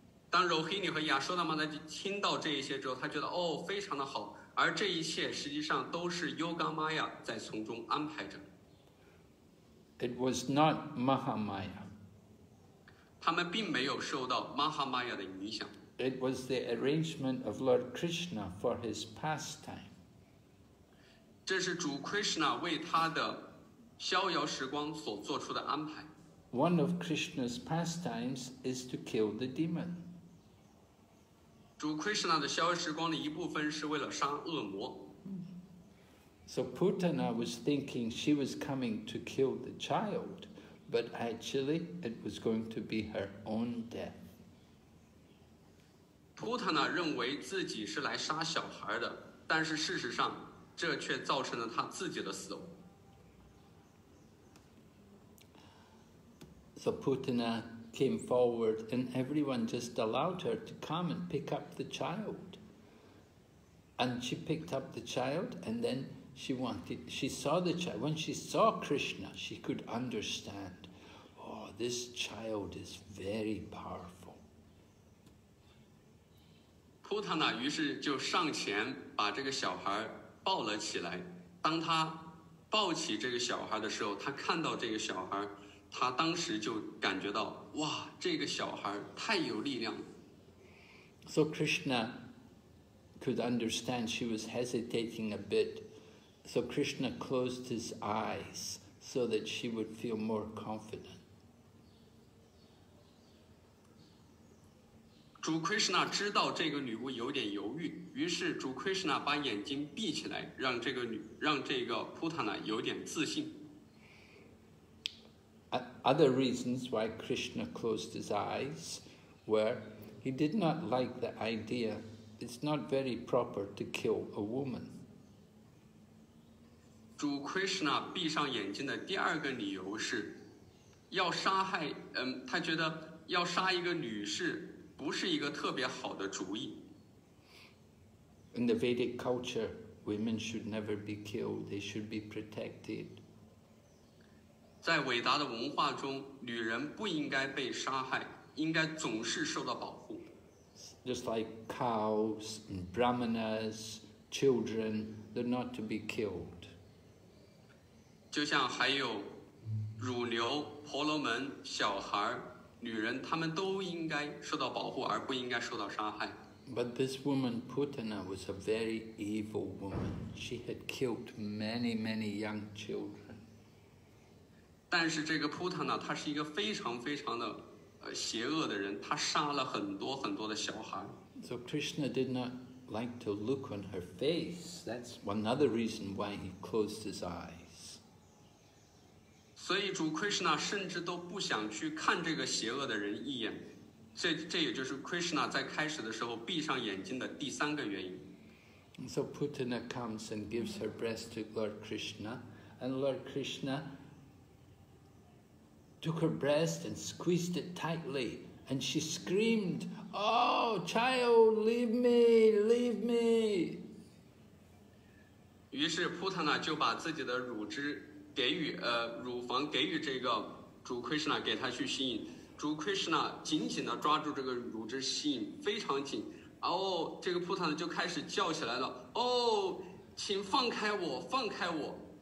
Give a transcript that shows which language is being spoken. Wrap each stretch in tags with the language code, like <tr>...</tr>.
<zh>当 Rohini 和 Yashodama 听到这一些之后，他觉得哦，非常的好，而这一切实际上都是 Yoga Maya 在从中安排着。</zh> <en>It was not Mahamaya.</en> <zh>他们并没有受到 Mahamaya 的影响。</zh> <en>It was the arrangement of Lord Krishna for his pastime.</en> <zh>这是主 Krishna 为他的逍遥时光所做出的安排。</zh> <en>One of Krishna's pastimes is to kill the demon.</en> <zh>主 Krishna 的逍遥时光的一部分是为了杀恶魔。</zh> <en>So Putana was thinking she was coming to kill the child, but actually it was going to be her own death.</en> <zh>Putana 认为自己是来杀小孩的，但是事实上这却造成了她自己的死亡。</zh> <en>So Putana came forward and everyone just allowed her to come and pick up the child. And she picked up the child and then she saw the child. When she saw Krishna, she could understand, oh, this child is very powerful.</en> <zh>Putana 于是就上前把这个小孩抱了起来。当他抱起这个小孩的时候，他看到这个小孩，他当时就感觉到，哇，这个小孩太有力量了。</zh> <en>So Krishna could understand she was hesitating a bit. So Krishna closed his eyes so that she would feel more confident.</en> <zh>主 Krishna 知道这个女巫有点犹豫，于是主 Krishna 把眼睛闭起来，让这个 Putana 有点自信。</zh> <en>Other reasons why Krishna closed his eyes were he did not like the idea. It's not very proper to kill a woman.</en> <zh>主 Krishna 闭上眼睛的第二个理由是要杀害他觉得要杀一个女士不是一个特别好的主意。</zh> <en>In the Vedic culture, women should never be killed, they should be protected.</en> <zh>在伟大的文化中，女人不应该被杀害，应该总是受到保护。</zh> <en>Just like cows, and brahmanas, children, they're not to be killed.</en> <zh>就像还有乳牛、婆罗门、小孩、女人，他们都应该受到保护，而不应该受到杀害。</zh> <en>But this woman Putana was a very evil woman. She had killed many, many young children.</en> <zh>但是这个 Putana 她是一个非常非常的邪恶的人，她杀了很多很多的小孩。</zh> <en>So Krishna did not like to look on her face. That's another reason why he closed his eyes.</en> <zh>所以主 Krishna 甚至都不想去看这个邪恶的人一眼，这也就是 Krishna 在开始的时候闭上眼睛的第三个原因。</zh> <en>So Putana comes and gives her breast to Lord Krishna, and Lord Krishna took her breast and squeezed it tightly, and she screamed, "Oh, child, leave me, leave me!"</en> <zh>于是 Putana 就把自己的乳汁。给予乳房给予这个主 Krishna 给他去吸引，主 Krishna 紧紧的抓住这个乳汁吸引非常紧，然后这个 Putana 就开始叫起来了，哦，请放开我，放开我。</zh>